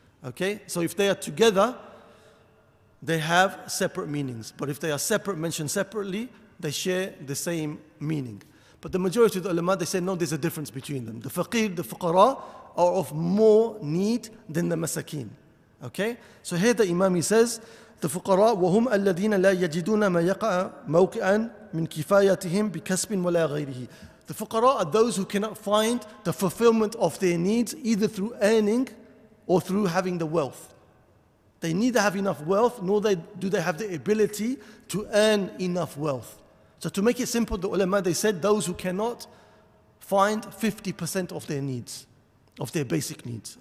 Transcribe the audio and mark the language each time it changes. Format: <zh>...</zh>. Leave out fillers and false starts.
<en>Okay, so if they are together, they have separate meanings. But if they are separate, mentioned separately, they share the same meaning. But the majority of the ulama, they say no, there's a difference between them. The faqir, the fuqara, are of more need than the masakin. Okay, so here the imam, he says, the</en> <ar>فقراء وهم الذين لا يجدون ما يقع موقعا من كفايتهم بكسب ولا غيره.</ar> <en>The فقراء are those who cannot find the fulfillment of their needs either through earning or through having the wealth. They neither have enough wealth nor do they have the ability to earn enough wealth. So to make it simple, the ulama, they said those who cannot find 50% of their needs, of their basic needs.</en>